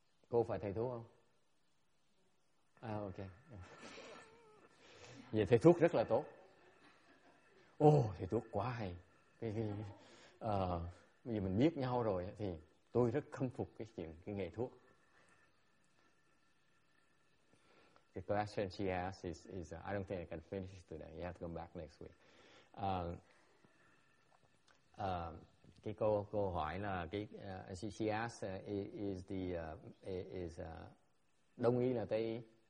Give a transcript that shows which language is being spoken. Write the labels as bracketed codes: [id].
[vi] Cô phải thầy thuốc không? À, ok. Vậy thầy thuốc rất là tốt. Thầy thuốc quá hay. Bây giờ mình biết nhau rồi thì tôi rất khâm phục cái chuyện, cái nghề thuốc. [en] The question she asked is I don't think I can finish today. You have to come back next week. [vi] Cái cô hỏi là cái [en] she asked is [vi] đông y là tây.